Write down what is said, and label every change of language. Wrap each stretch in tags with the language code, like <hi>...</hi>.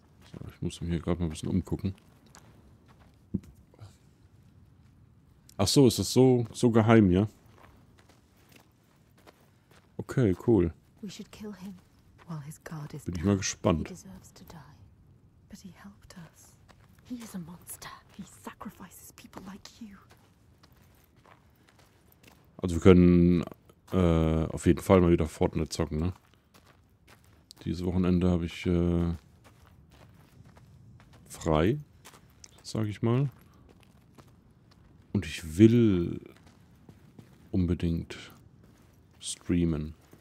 <de>So, ich muss mich hier gerade mal ein bisschen umgucken. Ach so, ist das so geheim, ja?</de> <en>Okay, cool. We should kill him. While his guard is down, he deserves to die. But he helped us. He is a monster. He sacrifices people like you.</en> <de>Also wir können auf jeden Fall mal wieder Fortnite zocken, ne? Dieses Wochenende habe ich frei, sage ich mal. Und ich will unbedingt streamen.</de>